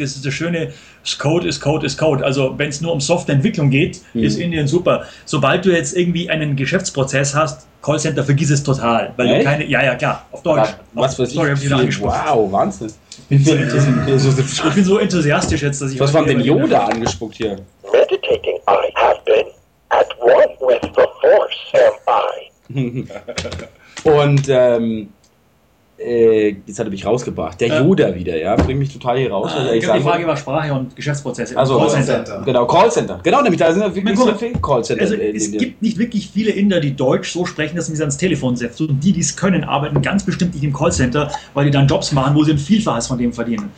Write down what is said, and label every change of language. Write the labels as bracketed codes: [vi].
[de] Das ist das schöne Code ist Code ist Code. Also wenn es nur um Softwareentwicklung geht, ist Indien super. Sobald du jetzt irgendwie einen Geschäftsprozess hast, Callcenter, vergiss es total. Weil du keine. Ja, klar, auf Deutsch. Wow, Wahnsinn. Ich bin so enthusiastisch jetzt, dass ich... Was war denn Yoda angespuckt hier? [en] Meditating, I have been at one with the force, am I. [de] Und jetzt hat er mich rausgebracht. Der Yoda wieder, ja, bringt mich total hier raus. Die Frage war Sprache und Geschäftsprozesse. Also Callcenter. Genau, Callcenter. Genau, nämlich da sind wirklich so viele Callcenter. Also, gibt nicht wirklich viele Inder, die Deutsch so sprechen, dass man sie ans Telefon setzt. Und die, die es können, arbeiten ganz bestimmt nicht im Callcenter, weil die dann Jobs machen, wo sie ein Vielfaches von dem verdienen.